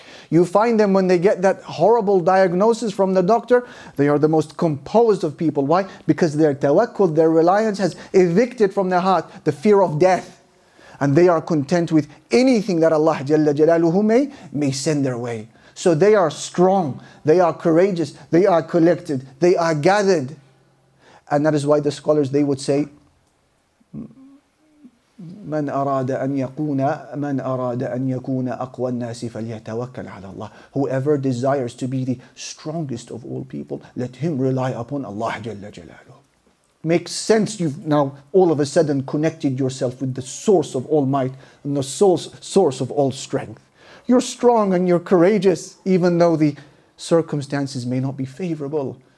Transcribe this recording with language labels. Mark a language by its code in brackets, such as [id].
[en] You find them when they get that horrible diagnosis from the doctor, they are the most composed of people. Why? Because their tawakkul, their reliance has evicted from their heart the fear of death. And they are content with anything that Allah Jalla Jalaluhu may send their way. So they are strong, they are courageous, they are collected, they are gathered. And that is why the scholars, they would say, [ar] من أراد أن يكون من أراد أن يكون أقوى الناس فليتوكل على الله. [en] Whoever desires to be the strongest of all people, let him rely upon Allah Jalla Jalaluhu. Makes sense. You've now all of a sudden connected yourself with the source of all might and the source of all strength. You're strong and you're courageous, even though the circumstances may not be favorable.